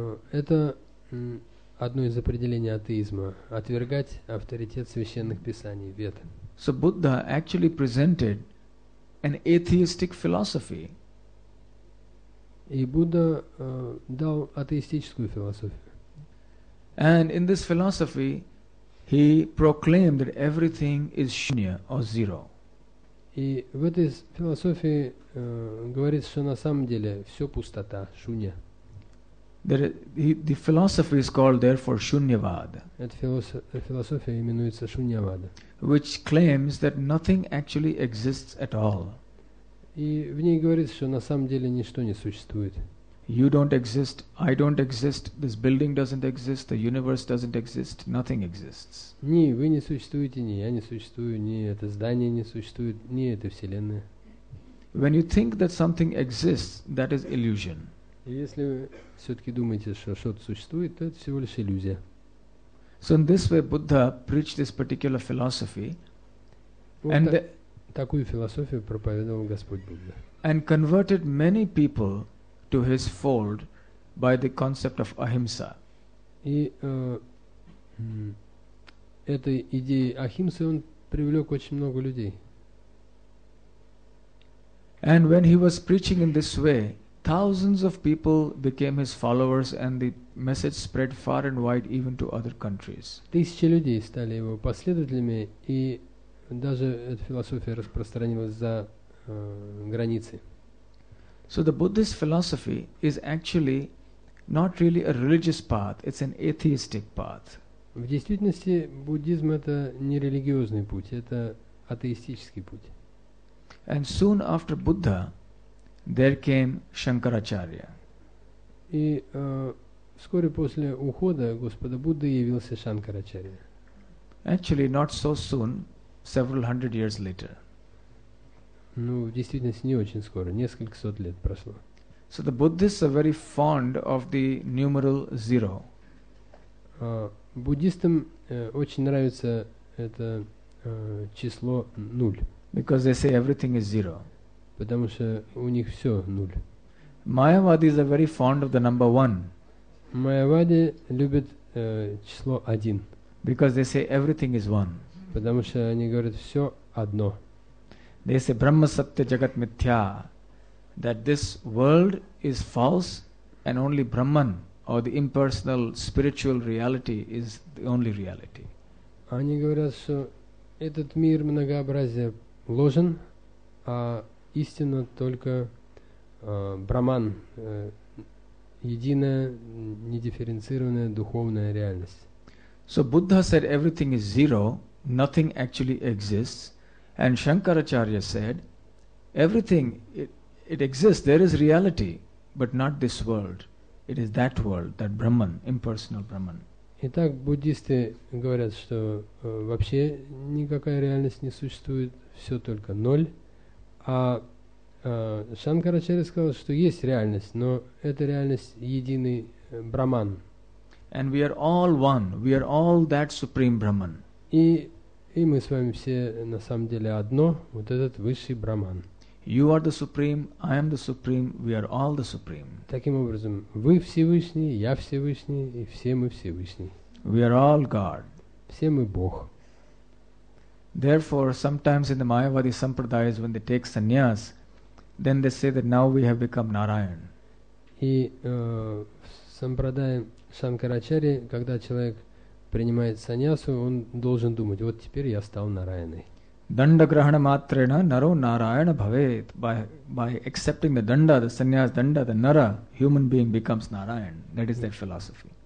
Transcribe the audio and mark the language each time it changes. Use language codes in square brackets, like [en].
[ru] Это одно из определений атеизма – отвергать авторитет священных писаний, вед. [en] So Buddha actually presented an atheistic philosophy. [ru] И Будда дал атеистическую философию. [en] And in this philosophy, he proclaimed that everything is shunya or zero. [ru] И в этой философии говорится, что на самом деле все пустота, шунья. [en] The philosophy is called, therefore, Shunyavada. [ru] Эта философия именуется Шуньявада. [en] Which claims that nothing actually exists at all. [ru] И в ней говорится, что на самом деле ничто не существует. [en] You don't exist, I don't exist, this building doesn't exist, the universe doesn't exist, nothing exists. [ru] Ни вы не существуете, ни я не существую, ни это здание не существует, ни эта вселенная. [en] When you think that something exists, that is illusion. [ru] Если вы все-таки думаете, что что-то существует, то это всего лишь иллюзия. [en] So in this way, Buddha preached this particular philosophy. [ru] Вот and такую философию проповедовал Господь Будда. [en] And converted many people to his fold by the concept of ahimsa. [ru] И этой идеей ахимсы он привлек очень много людей. [en] And when he was preaching in this way, thousands of people became his followers, and the message spread far and wide, even to other countries. [ru] Тысячи людей стали его последователями, и даже эта философия распространилась за границы. [en] So the Buddhist philosophy is actually not really a religious path; it's an atheistic path. [ru] В действительности буддизм это не религиозный путь, это атеистический путь. [en] And soon after Buddha, there came Shankaracharya. [ru] И вскоре после ухода Господа Будды явился Шанкарачарья. [en] Actually, not so soon, several hundred years later. [ru] Ну, в действительности не очень скоро, несколько сот лет прошло. [en] So the Buddhists are very fond of the numeral zero. [ru] Буддистам очень нравится это число нуль. [en] Because they say everything is zero. [ru] Потому что у них все нуль. [en] Mayavadis are very fond of the number one. [ru] Майявади любят число один. [en] Because they say everything is one. [ru] Потому что они говорят все одно. [en] They say Brahma Satya Jagat Mithya, that this world is false and only Brahman or the impersonal spiritual reality is the only reality. [ru] Они говорят, что этот мир многообразия ложен, а истина только Брахман, единая, недифференцированная духовная реальность. [en] So Buddha said everything is zero, nothing actually exists. And Shankaracharya said, everything, it exists, there is reality, but not this world. It is that world, that Brahman, impersonal Brahman. [ru] Итак, буддисты говорят, что вообще никакая реальность не существует, все только ноль. А Шанкарачарья сказал, что есть реальность, но эта реальность единый Брахман. [en] And we are all one, we are all that supreme Brahman. [ru] И мы с вами все на самом деле одно, вот этот высший Брахман. [en] You are the supreme, I am the supreme, we are all the supreme. [ru] Таким образом, вы Всевышний, я Всевышний, и все мы Всевышний. [en] We are all God. [ru] Все мы Бог. [en] Therefore, sometimes in the Mayavadi sampradayas, when they take sannyas, then they say that now we have become Narayan. [ru] И в сампрадае Шанкарачарьи, когда человек принимает саньясу, он должен думать, вот теперь я стал Нараяной. [sa] Данда грахана матрена наро Нараяна бхавет. [en] By accepting the данда, the саньяс данда, the нара, human being becomes Narayan. That is their philosophy.